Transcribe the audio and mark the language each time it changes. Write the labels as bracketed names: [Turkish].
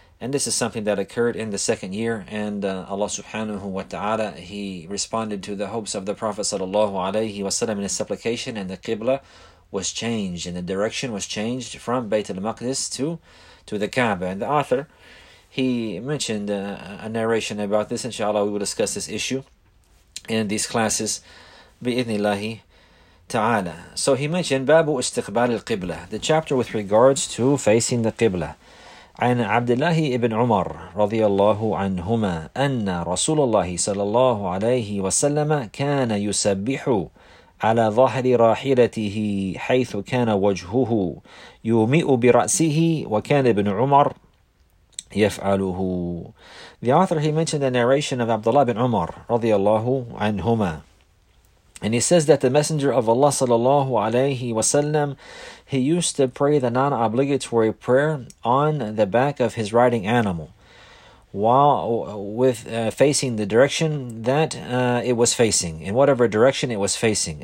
[English] And this is something that occurred in the second year, and Allah subhanahu wa ta'ala, he responded to the hopes of the Prophet sallallahu alayhi wasallam in his supplication, and the Qibla was changed and the direction was changed from Bayt al-Maqdis to the Kaaba. And the author, he mentioned a narration about this. Inshallah, we will discuss this issue in these classes, bi-idhnillahi ta'ala. So he mentioned Babu Istiqbal al-Qibla, the chapter with regards to facing the Qibla. [Arabic] عن عبد الله بن عمر رضي الله عنهما أن رسول الله صلى الله عليه وسلم كان يسبح على ظهر راحلته حيث كان وجهه يومئ برأسه وكان ابن عمر يفعله. [English] The author, he mentioned the narration of Abdullah bin Umar [Arabic] رضي الله عنهما. [English] And he says that the Messenger of Allah sallallahu alayhi wasallam, he used to pray the non-obligatory prayer on the back of his riding animal while with facing the direction that it was facing, in whatever direction it was facing.